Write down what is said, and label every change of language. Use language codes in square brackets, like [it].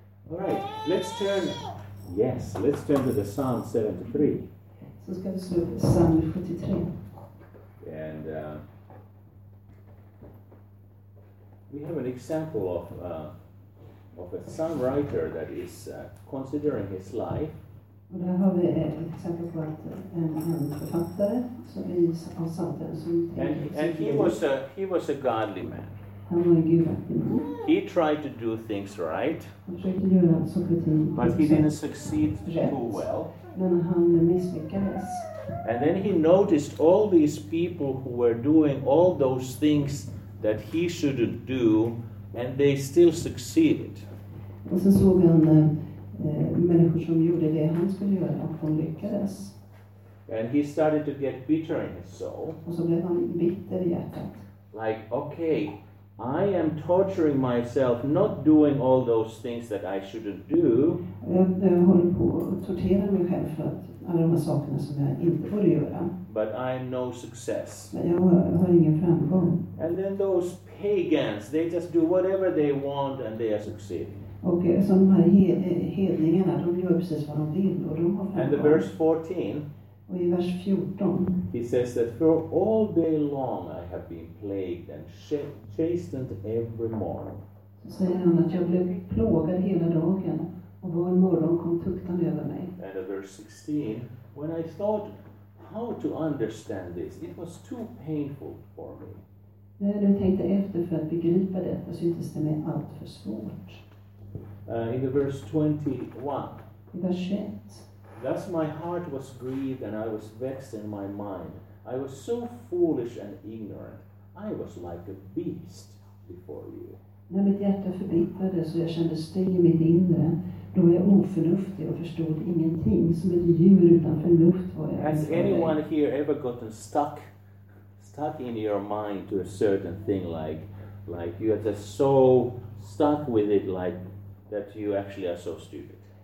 [en] All right. Let's turn to the Psalm 73. [sv] Så ska vi slå upp Psalm 73. [en] And we have an example of a psalm writer that is considering his life. [sv] Och där har vi ett exempel på en författare som är av Psalter som [en] And he was a godly man. [sv] Han var en gudaktig man. [en] He tried to do things right. [sv] Han försökte göra saker och ting. [en] But he didn't succeed too well. [sv] Men han misslyckades. [en] And then he noticed all these people who were doing all those things that he shouldn't do, and they still succeeded. [sv] Och så såg han människor som gjorde det han skulle göra och hon lyckades. [en] And he started to get bitter in his soul. [sv] Och så blev han bitter i hjärtat. [en] Like, okay, I am torturing myself not doing all those things that I shouldn't do. [sv] Jag håller på att tortera mig själv för att alla de sakerna som jag inte får göra. [en] But I am no success. [sv] Men jag har ingen framgång. [en] And then those pagans, they just do whatever they want and they are succeeding. [sv] Och så de här hedningarna, de gör precis vad de vill och de har framgång. [en] And the verse 14. [sv] Och i vers 14. [en] He says that for all day long I have been plagued and chastened every morning. [sv] Så säger han att jag blev plågad hela dagen och var morgon kom tuktan över mig. [en] And at verse 16, when I thought how to understand this, it was too painful for me. [sv] När du tänkte efter för att begripa det, så syntes det mig allt för svårt. [en] In the verse 21. [sv] I vers 21. [en] Thus my heart was grieved and I was vexed in my mind. I was so foolish and ignorant. I was like a beast before you. [sv] När mitt hjärta förbittrades så jag kände stygg i mitt inre, då var jag oförnuftig och förstod ingenting, som ett djur utan förnuft var jag. [en] Has anyone here ever gotten stuck in your mind to a certain thing, like you are just so stuck with it, like that you actually are so stupid?